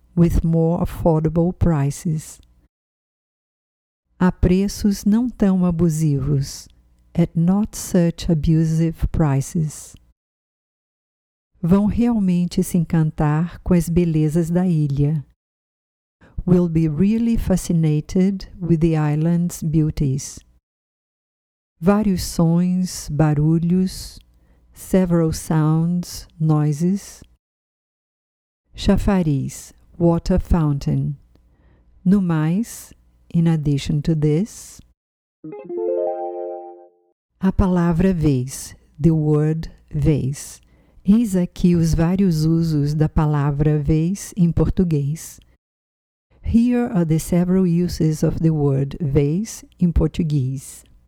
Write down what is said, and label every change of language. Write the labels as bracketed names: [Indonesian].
[English] With more affordable prices. [Portuguese] A preços não tão abusivos. [English] At not such abusive prices. [Portuguese] Vão realmente se encantar com as belezas da ilha. [English] Will be really fascinated with the island's beauties. [Portuguese] Vários sons, barulhos, [English] several sounds, noises. [Portuguese] Chafariz, [English] water fountain. [Portuguese] No mais, [English] in addition to this. [Portuguese] A palavra vez, [English] the word vez. [Portuguese] Eis aqui os vários usos da palavra vez em português. [English] Here are the several uses of the word vez in Portuguese.